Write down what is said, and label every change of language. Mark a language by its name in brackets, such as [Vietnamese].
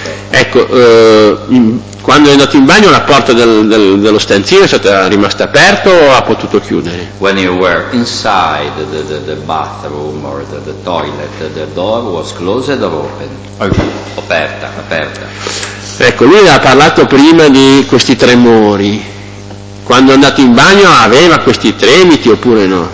[Italian] Ecco, quando è andato in bagno la porta dello stanzino è stata rimasta aperta o ha potuto chiudere? [English] When you were inside the bathroom or the toilet, the door was closed or open? Okay. [Italian] Aperta. Ecco, lui ha parlato prima di questi tremori. Quando è andato in bagno aveva questi tremiti oppure no?